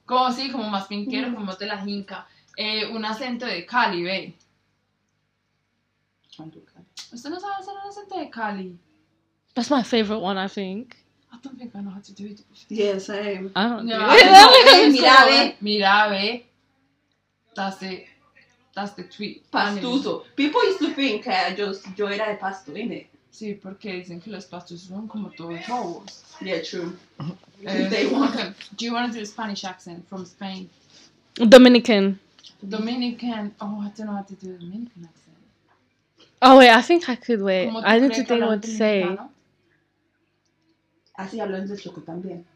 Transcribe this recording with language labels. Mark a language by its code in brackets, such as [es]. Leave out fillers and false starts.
[es] Como sí, como más finquero, como de las Incas. Un acento de Cali, ve. ¿Usted no sabe hacer un acento de Cali? [en] That's my favorite one, I think. I don't think I know how to do it. Yeah, same. I don't know. Yeah, [es] no, mira, ve. Mira, ve. [en] That's the tweet. [es] Pastuso. [en] People used to think that [es] yo era de pasto, [en] innit? [es] Sí, porque dicen que los pastos son como todos lobos. [en] Yeah, true. They want do you want to do a Spanish accent from Spain? Dominican. Dominican. Oh, I don't know how to do a Dominican accent. Oh, wait, I think I could wait. I need to think what to say. [es] Así hablan del Chocó también.